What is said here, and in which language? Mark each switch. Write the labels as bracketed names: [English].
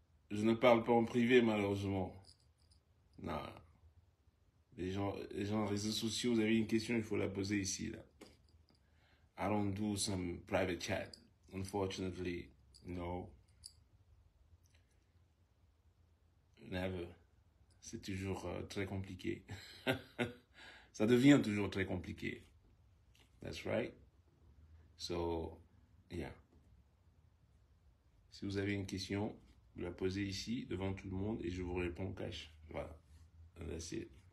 [French] Je ne parle pas en privé, malheureusement. Non. Les gens, réseaux sociaux, vous avez une question, il faut la poser ici, là. [English] I don't do some private chat, unfortunately. No. Never. [French] C'est toujours très compliqué. Ça devient toujours très compliqué. [English] That's right. So, yeah. [French] Si vous avez une question, vous la posez ici devant tout le monde et je vous réponds cash. Voilà. [English] That's it.